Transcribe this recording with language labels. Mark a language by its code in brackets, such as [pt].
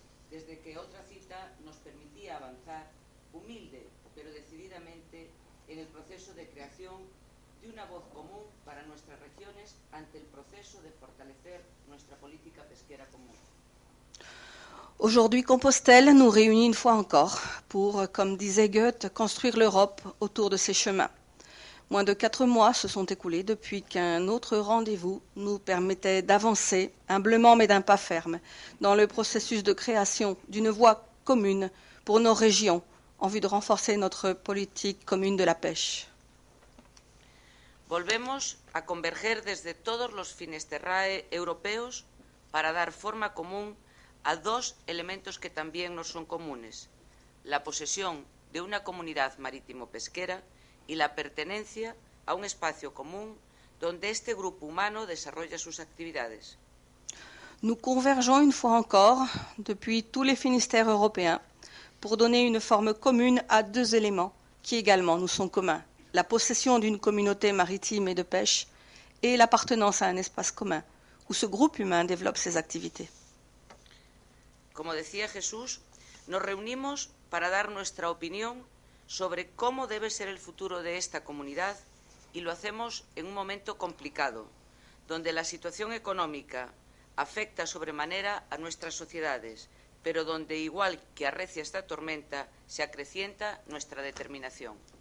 [es] Desde que otra cita nos permitía avanzar, humilde pero decididamente, en el proceso de creación de una voz común para nuestras regiones ante el proceso de fortalecer nuestra política pesquera común. [fr] Aujourd'hui, Compostelle nous réunit une fois encore pour, comme disait Goethe, construire l'Europe autour de ses chemins. Moins de 4 mois se sont écoulés depuis qu'un autre rendez-vous nous permettait d'avancer, humblement mais d'un pas ferme, dans le processus de création d'une voie commune pour nos régions en vue de renforcer notre politique commune de la pêche. [es] Volvemos a converger desde todos los finisterrae europeos para dar forma común a dos elementos que también nos son comunes: la posesión de una comunidad marítimo-pesquera y la pertenencia a un espacio común donde este grupo humano desarrolla sus actividades. [fr] Nous convergeons une fois encore depuis tous les finistères européens pour donner une forme commune à deux éléments qui également nous sont communs: la possession d'une communauté maritime et de pêche et l'appartenance à un espace commun où ce groupe humain développe ses activités. [es] Como decía Jesús, nos reunimos para dar nuestra opinión sobre cómo debe ser el futuro de esta comunidad, y lo hacemos en un momento complicado, donde la situación económica afecta sobremanera a nuestras sociedades, pero donde, igual que arrecia esta tormenta, se acrecienta nuestra determinación.